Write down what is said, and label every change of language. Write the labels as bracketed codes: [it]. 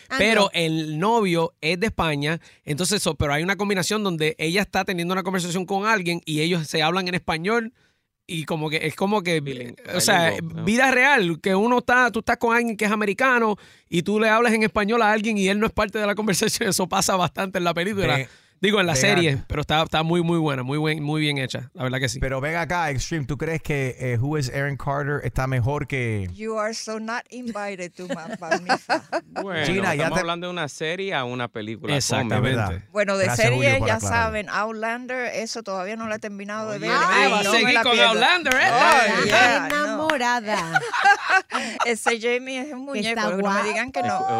[es] Pero el novio es de España, entonces, pero hay una combinación donde ella está teniendo una conversación con alguien y ellos se hablan en español y como que, es como que, o sea, vida real, que uno está, tú estás con alguien que es americano y tú le hablas en español a alguien y él no es parte de la conversación, eso pasa bastante en la película. Digo, en la serie, pero está muy, muy buena, muy bien hecha, la verdad que sí. Pero ven acá, Extreme, ¿tú crees que Who is Aaron Carter está mejor que...? [en] You are so not invited to my misa. [es] Bueno, Gina, estamos hablando de una serie a una película. Exactamente. Bueno, de serie, ya saben, Outlander, eso todavía no la he terminado de ver. ¡Ay, va a seguir con Outlander! ¡Enamorada! Ese Jamie es un muñeco, pero no me digan que no.